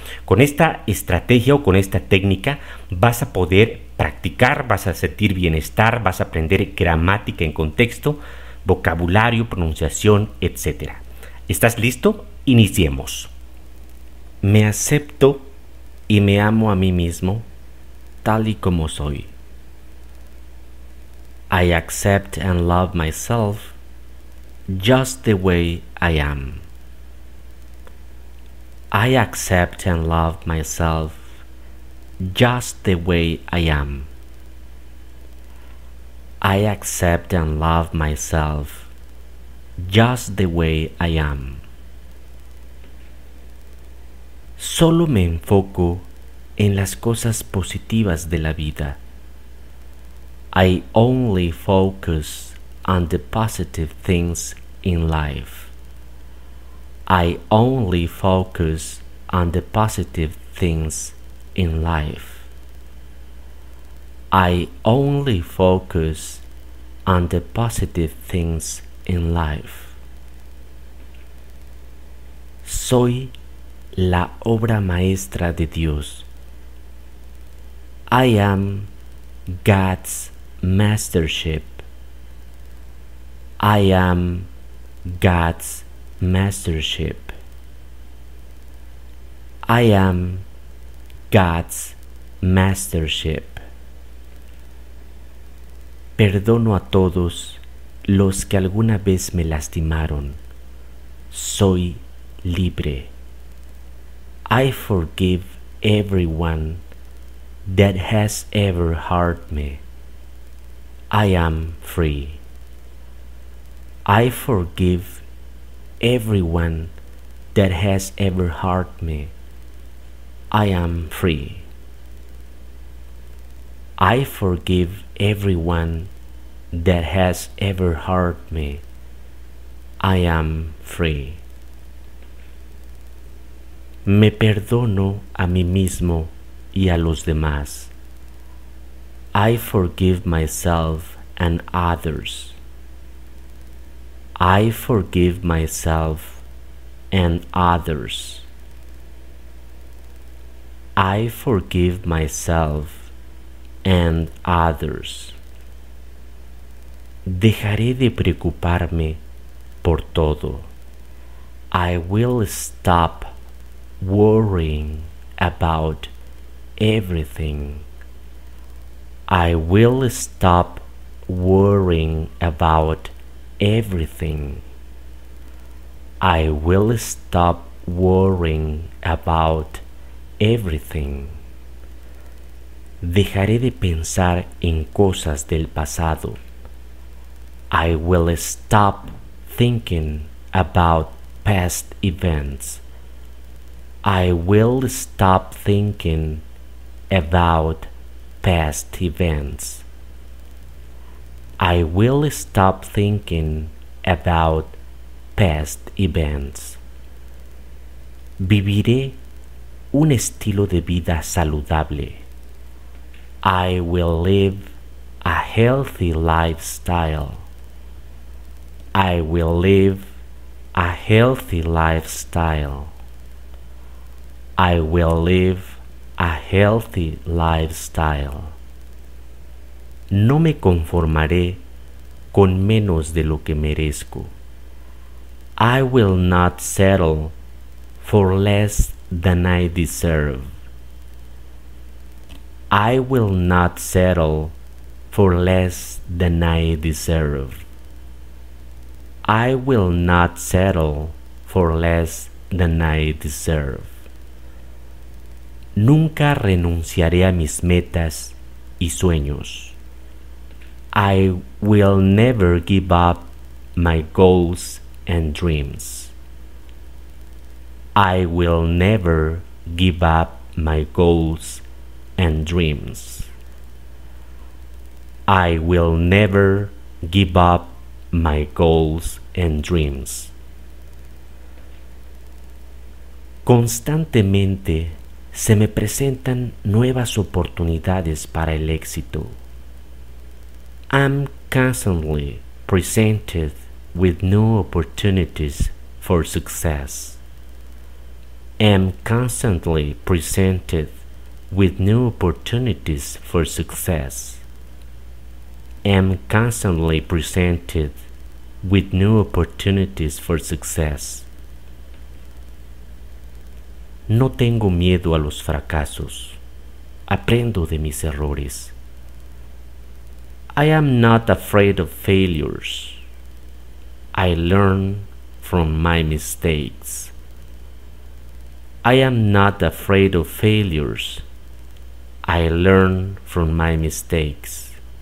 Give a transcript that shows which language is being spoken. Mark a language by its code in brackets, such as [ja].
[es] Con esta estrategia o con esta técnica vas a poder practicar, vas a sentir bienestar, vas a aprender gramática en contexto, vocabulario, pronunciación, etc. ¿Estás listo? Iniciemos. Me acepto y me amo a mí mismo tal y como soy. [en] I accept and love myself just the way I am. I accept and love myself just the way I am. I accept and love myself just the way I am. [es] Solo me enfoco en las cosas positivas de la vida. [en] I only focus on the positive things in life. I only focus on the positive things in life. I only focus on the positive things in life. [es] Soy la obra maestra de Dios. [en] I am God's mastership. I am God's mastership. I am God's mastership. [es] Perdono a todos los que alguna vez me lastimaron. Soy libre. [en] I forgive everyone that has ever hurt me. I am free. I forgive everyone that has ever hurt me. I am free. I forgive everyone that has ever hurt me. I am free. [es] Me perdono a mí mismo y a los demás. [en] I forgive myself and others. I forgive myself and others. I forgive myself and others. [es] Dejaré de preocuparme por todo. [en] I will stop worrying about everything. I will stop worrying about everything. I will stop worrying about everything. [es] Dejaré de pensar en cosas del pasado. [en] I will stop thinking about past events. I will stop thinking about past events. I will stop thinking about past events. [es] Viviré un estilo de vida saludable. [en] I will live a healthy lifestyle. I will live a healthy lifestyle. I will live a healthy lifestyle. [es] No me conformaré con menos de lo que merezco. [en] I will not settle for less than I deserve. I will not settle for less than I deserve. I will not settle for less than I deserve. [es] Nunca renunciaré a mis metas y sueños. [en] I will never give up my goals and dreams. I will never give up my goals and dreams. I will never give up my goals and dreams. [es] Constantemente se me presentan nuevas oportunidades para el éxito. [en] I'm constantly presented with new opportunities for success. I'm constantly presented with new opportunities for success. I'm constantly presented with new opportunities for success. [es] No tengo miedo a los fracasos. Aprendo de mis errores. [en] I am not afraid of failures. I learn from my mistakes. I am not afraid of failures. I learn from my mistakes.